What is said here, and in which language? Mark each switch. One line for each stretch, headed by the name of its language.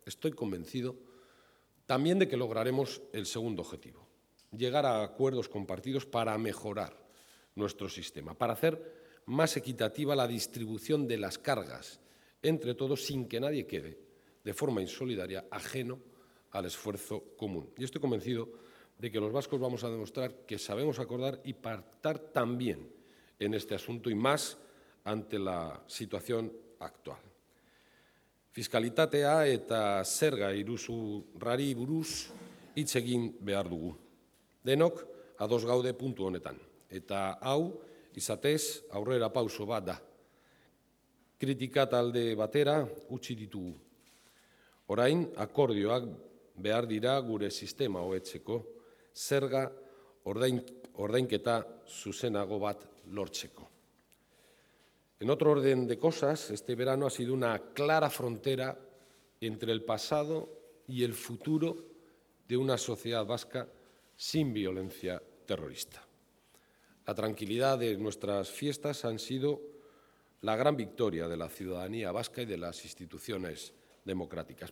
Spanish: Estoy convencido también de que lograremos el segundo objetivo, llegar a acuerdos compartidos para mejorar nuestro sistema, para hacer más equitativa la distribución de las cargas entre todos sin que nadie quede de forma insolidaria ajeno al esfuerzo común. Y estoy convencido de que los vascos vamos a demostrar que sabemos acordar y pactar también en este asunto y más ante la situación actual.
Basque: Fiskalitatea eta zerga iruzurrari buruz hitz egin behar dugu. Denok ados gaude puntu honetan, eta hau izatez aurrera pauso bat da. Kritika talde batera utzi ditugu. Orain akordioak behar dira gure sistema hobetzeko, zerga ordainketa zuzenago bat lortzeko.
Spanish: En otro orden de cosas, este verano ha sido una clara frontera entre el pasado y el futuro de una sociedad vasca sin violencia terrorista. La tranquilidad de nuestras fiestas han sido la gran victoria de la ciudadanía vasca y de las instituciones democráticas.